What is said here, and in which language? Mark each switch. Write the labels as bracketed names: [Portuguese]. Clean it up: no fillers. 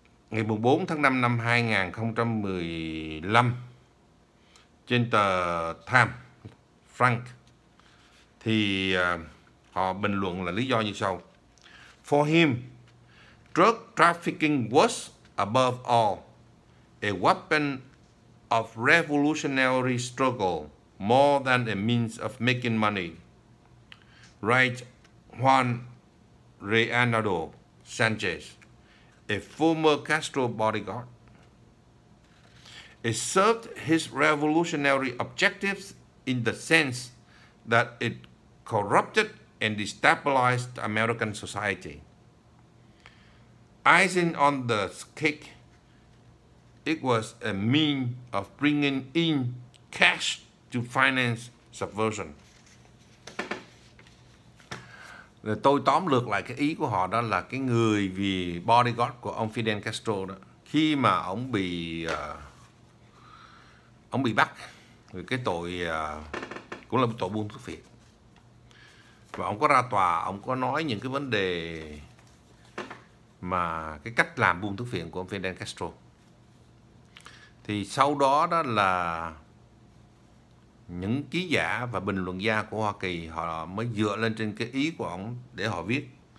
[Vietnamese] Ngày 4 tháng 5 năm 2015 trên tờ Time Frank, thì họ bình luận là lý do như sau: [English] For him, drug trafficking was above all a weapon of revolutionary struggle more than a means of making money. Right? Juan Reynaldo Sanchez, a former Castro bodyguard. It served his revolutionary objectives in the sense that it corrupted and destabilized American society. Icing on the cake, it was a means of bringing in cash to finance subversion. [Vietnamese] Tôi tóm lược lại cái ý của họ, đó là cái người vì bodyguard của ông Fidel Castro đó, khi mà ông bị bắt vì cái tội cũng là tội buôn thuốc phiện, và ông có ra tòa, ông có nói những cái vấn đề mà cái cách làm buôn thuốc phiện của ông Fidel Castro, thì sau đó đó là những ký giả và bình luận gia của Hoa Kỳ họ mới dựa lên trên cái ý của ông để họ viết.